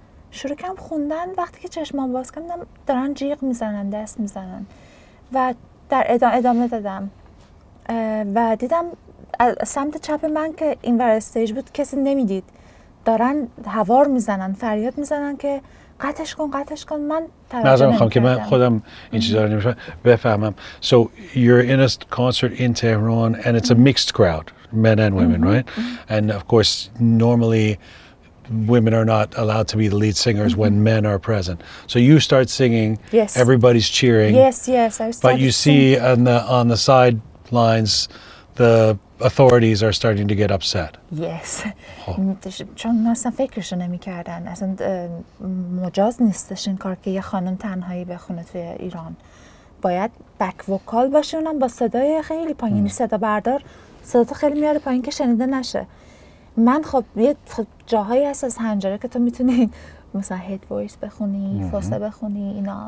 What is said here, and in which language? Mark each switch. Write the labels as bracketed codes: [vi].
[fa] شروع کردم خوندن، وقتی که چشمامو باز کردم دارن جیغ میزنن، دست میزنن و در ادامه دادم و دیدم سمت چپ من که این ور استیج بود کسی نمیدید، دارن هوار میزنن، فریاد میزنن که قطعش کن قطعش کن. من توجه نمی کردم که من خودم این چیزا رو نمیشم بفهمم. [en] So you're in a concert in Tehran and it's a mixed crowd, men and women, right? And of course normally women are not allowed to be the lead singers when men are present. So you start singing, everybody's cheering. Yes, but you see on the sidelines, the authorities are starting to get upset. [fa] Yes. چون اصلا فکرشو نمی‌کردن. اصلا مجاز نیستش این کار که یه خانم تنهایی بخونه توی ایران. باید بک وکال باشه، اونم با صدای خیلی پایین. صدا بردار صدا تو خیلی میاره پایین که شنیده نشه. من خب یه جاهایی هست از هنجره که تو میتونی مثلا هید وایس بخونی، فاسه بخونی اینا.